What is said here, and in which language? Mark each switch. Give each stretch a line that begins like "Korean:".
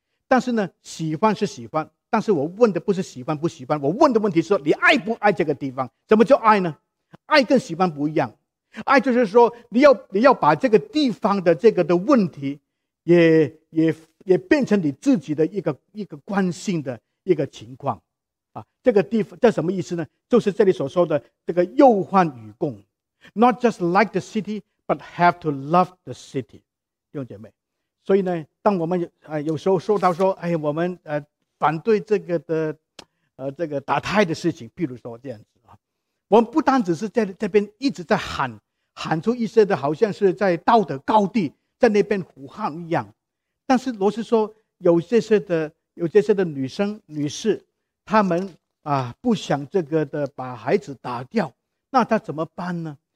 Chinese: 但是呢，喜欢是喜欢，但是我问的不是喜欢不喜欢，我问的问题是说你爱不爱这个地方？怎么叫爱呢？爱跟喜欢不一样。爱就是说你要把这个地方的这个的问题也变成你自己的一个关心的一个情况啊。这个地方这什么意思呢？就是这里所说的这个忧患与共，
English: not just like the city but have to love the city。
Chinese: 弟兄姐妹，所以呢，当我们有时候说到说哎，我们反对这个的这个打胎的事情，譬如说这样子，我们不单只是在这边一直在喊出一些的好像是在道德高地在那边呼喊一样，但是罗斯说有这些的女生女士，她们不想这个的把孩子打掉，那她怎么办呢？